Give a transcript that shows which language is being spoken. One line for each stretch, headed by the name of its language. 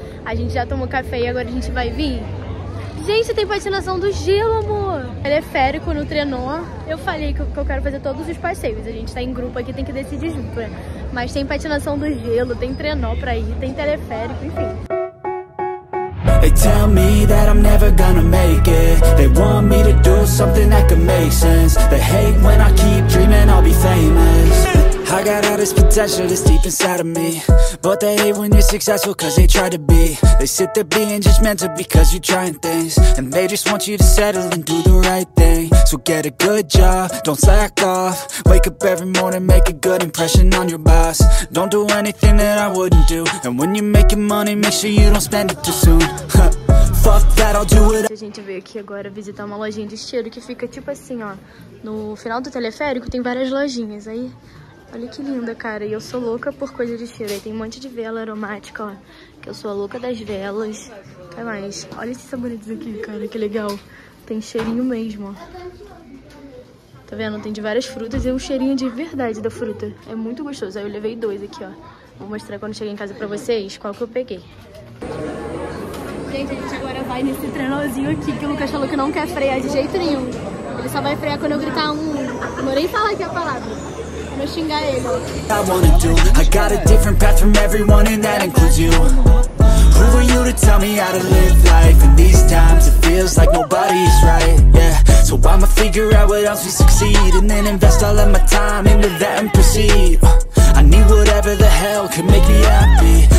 Portuguese: A gente já tomou café e agora a gente vai vir. Gente, tem patinação do gelo, amor. Teleférico no trenó. Eu falei que eu quero fazer todos os passeios. A gente tá em grupo aqui, tem que decidir junto, né? Mas tem patinação do gelo, tem trenó pra ir, tem teleférico, enfim.
English: They tell me that I'm never gonna make it. They want me to do something that could make sense. They hate when I keep dreaming I'll be famous. I got all this potential that's deep inside of me. But they hate when you're successful cause they try to be. They sit there being judgmental because you're trying things. And they just want you to settle and do the right thing. So get a good job, don't slack off. Wake up every morning, make a good impression on your boss. Don't do anything that I wouldn't do. And when you're making money, make sure you don't spend it too soon.
Portuguese: A gente veio aqui agora visitar uma lojinha de cheiro que fica tipo assim, ó. No final do teleférico tem várias lojinhas aí. Olha que linda, cara. E eu sou louca por coisa de cheiro. Aí tem um monte de vela aromática, ó. Que eu sou a louca das velas. Que mais? Olha esses sabonetes aqui, cara. Que legal. Tem cheirinho mesmo, ó. Tá vendo? Tem de várias frutas e um cheirinho de verdade da fruta. É muito gostoso. Aí eu levei dois aqui, ó. Vou mostrar quando chegar em casa pra vocês qual que eu peguei. Gente, a gente agora vai nesse trenozinho aqui, que o Lucas falou que não quer frear de jeito nenhum. Ele só vai frear quando eu gritar um... Não vou nem falar aqui a palavra. Vou xingar ele.
English: I wanna do, I got a different path from everyone and that includes you. Who are you to tell me how to live life? In these times it feels like nobody's right, yeah. So I'ma figure out what else we succeed. And then invest all of my time into that and proceed. I need whatever the hell can make me happy.